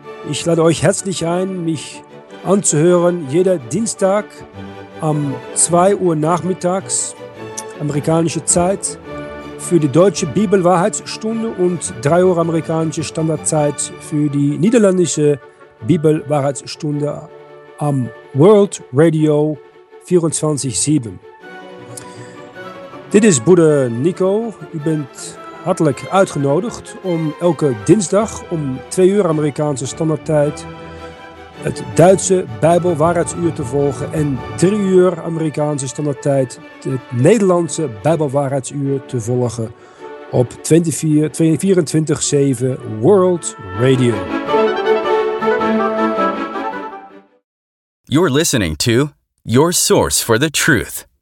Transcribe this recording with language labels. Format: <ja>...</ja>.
<de>Ich lade euch herzlich ein, mich anzuhören jeder Dienstag um 2 Uhr nachmittags, amerikanische Zeit, für die deutsche Bibelwahrheitsstunde und 3 Uhr amerikanische Standardzeit für die niederländische Bibelwahrheitsstunde am World Radio 24/7.</de> <nl>Dit is Bruder Nico. U bent hartelijk uitgenodigd om elke dinsdag om 2 uur amerikaanse standaardtijd het Duitse Bijbelwaarheidsuur te volgen en 3 uur Amerikaanse standaardtijd het Nederlandse Bijbelwaarheidsuur te volgen op 24/7 World Radio.</nl> <en>You're listening to your source for the truth.</en>